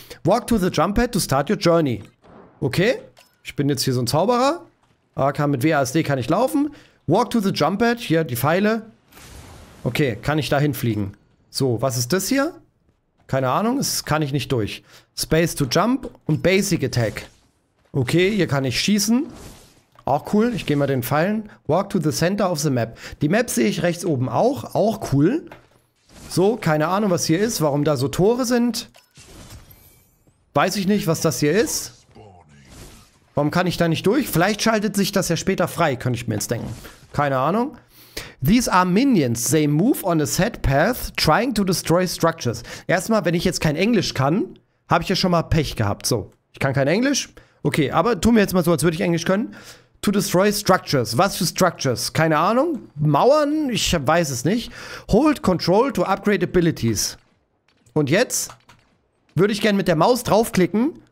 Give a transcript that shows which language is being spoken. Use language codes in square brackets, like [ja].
[en] Walk to the jump pad to start your journey. [de] Okay, ich bin jetzt hier so ein Zauberer. AK mit WASD kann ich laufen. [en] Walk to the jump pad, [de] hier die Pfeile. Okay, kann ich dahin fliegen. So, was ist das hier? Keine Ahnung, das kann ich nicht durch. [en] Space to jump [de] und Basic Attack. Okay, hier kann ich schießen. Auch cool. Ich gehe mal den Pfeilen. [en] Walk to the center of the map. [de] Die Map sehe ich rechts oben auch. Auch cool. So, keine Ahnung, was hier ist. Warum da so Tore sind. Weiß ich nicht, was das hier ist. Warum kann ich da nicht durch? Vielleicht schaltet sich das ja später frei, könnte ich mir jetzt denken. Keine Ahnung. [en] These are minions. They move on a set path, trying to destroy structures. [de] Erstmal, wenn ich jetzt kein Englisch kann, habe ich ja schon mal Pech gehabt. So, ich kann kein Englisch. Okay, aber tun wir jetzt mal so, als würde ich Englisch können. [en] To destroy structures. [de] Was für structures? Keine Ahnung. Mauern? Ich weiß es nicht. [en] Hold control to upgrade abilities. [de] Und jetzt würde ich gerne mit der Maus draufklicken.